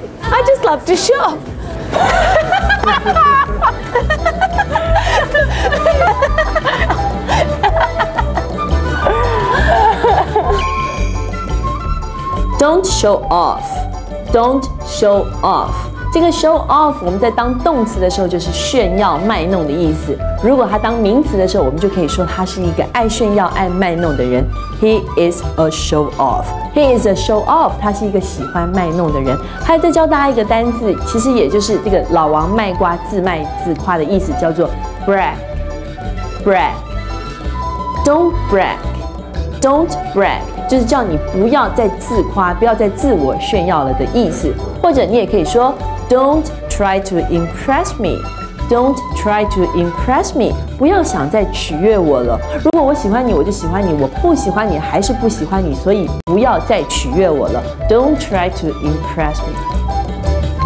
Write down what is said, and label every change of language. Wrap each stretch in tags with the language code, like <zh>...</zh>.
<en>I just love to shop. Don't show off, don't show off.</en> <zh>这个 show off 我们在当动词的时候就是炫耀卖弄的意思。如果他当名词的时候，我们就可以说他是一个爱炫耀爱卖弄的人。</zh> <en>He is a show off. He is a show off.</en> <zh>他是一个喜欢卖弄的人。还在教大家一个单字，其实也就是这个老王卖瓜自卖自夸的意思，叫做 brag, brag.</zh> <en>Don't brag, don't brag.</en> <zh>就是叫你不要再自夸，不要再自我炫耀了的意思。或者你也可以说</zh> <en>Don't try to impress me. Don't try to impress me.</en> <zh>不要想再取悦我了。如果我喜欢你，我就喜欢你，我不喜欢你还是不喜欢你，所以不要再取悦我了。</zh> <en>Don't try to impress me.</en>